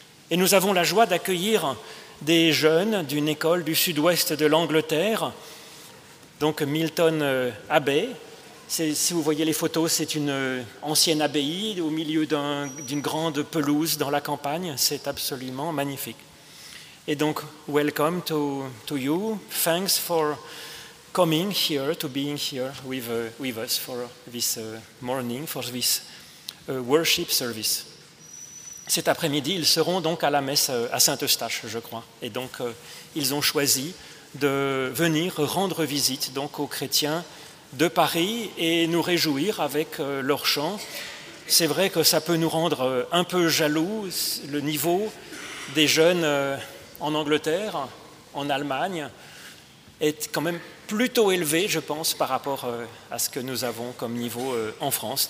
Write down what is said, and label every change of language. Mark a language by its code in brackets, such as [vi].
[fr] Et nous avons la joie d'accueillir des jeunes d'une école du sud-ouest de l'Angleterre, donc Milton Abbey. Si vous voyez les photos, c'est une ancienne abbaye au milieu d'une grande pelouse dans la campagne. C'est absolument magnifique. Et donc, [en] welcome to you. Thanks for coming here, to being here with us for this morning, for this worship service. [fr] Cet après-midi, ils seront donc à la messe à Saint-Eustache, je crois. Et donc, ils ont choisi de venir rendre visite donc, aux chrétiens de Paris et nous réjouir avec leur chant. C'est vrai que ça peut nous rendre un peu jaloux, le niveau des jeunes en Angleterre, en Allemagne, est quand même plutôt élevé, je pense, par rapport à ce que nous avons comme niveau en France.